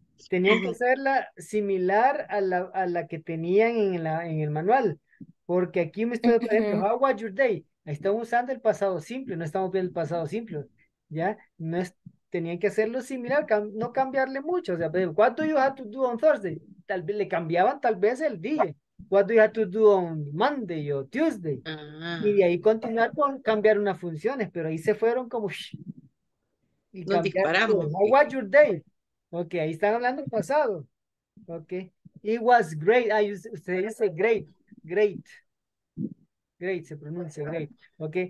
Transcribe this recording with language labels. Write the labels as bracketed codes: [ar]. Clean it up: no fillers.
[es] Tenían que hacerla similar a la que tenían en el manual. Porque aquí me estoy poniendo, [en] how was your day? [es] Estamos usando el pasado simple, no estamos viendo el pasado simple. ¿Ya? No es, tenían que hacerlo similar, no cambiarle mucho. O sea, pero, [en] what do you have to do on Thursday? [es] Tal vez le cambiaban tal vez el día. [en] What do you have to do on Monday o Tuesday? Ah. [es] Y de ahí continuar con cambiar unas funciones, pero ahí se fueron como shh, y nos disparamos. [en] How was your day? [es] Ok, ahí están hablando el pasado. Ok. [en] It was great. [es] Ah, usted dice great. Great. Great, se pronuncia great. Ok.